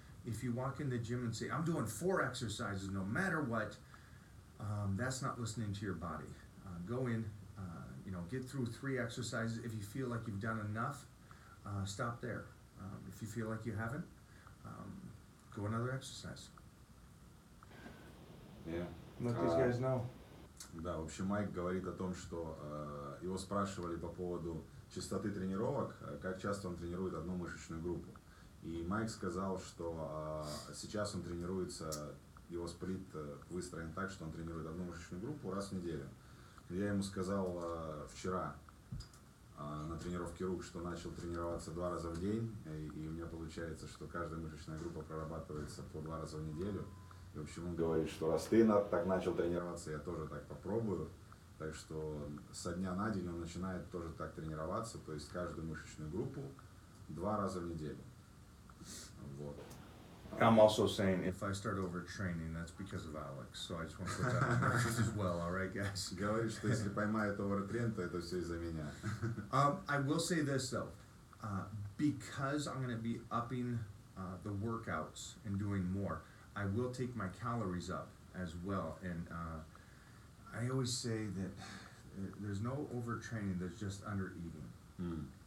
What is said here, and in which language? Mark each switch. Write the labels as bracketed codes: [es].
[en] If you walk in the gym and say, I'm doing 4 exercises no matter what, that's not listening to your body. Go in, get through 3 exercises. If you feel like you've done enough, stop there. If you feel like you haven't, go another exercise. Yeah. Let these guys know. [ru] Да, в общем, Майк говорит о том, что его спрашивали по поводу частоты тренировок, как часто он тренирует одну мышечную группу. И Майк сказал, что сейчас он тренируется, его сплит выстроен так, что он тренирует одну мышечную группу раз в неделю. Я ему сказал вчера на тренировке рук, что начал тренироваться 2 раза в день, и у меня получается, что каждая мышечная группа прорабатывается по 2 раза в неделю. И, в общем, он говорит, что раз ты так начал тренироваться, я тоже так попробую. Так что со дня на день он начинает тоже так тренироваться, то есть каждую мышечную группу 2 раза в неделю. Вот. [en] I'm also saying if I start overtraining, that's because of Alex. So I just want to put that on the record as well, all right, guys? [ru] Говорит, что если поймает овертренд, то это все из-за меня. [en] I will say this, though. Because I'm going to be upping the workouts and doing more, I will take my calories up as well. And I always say that there's no overtraining, there's just under-eating. Mm.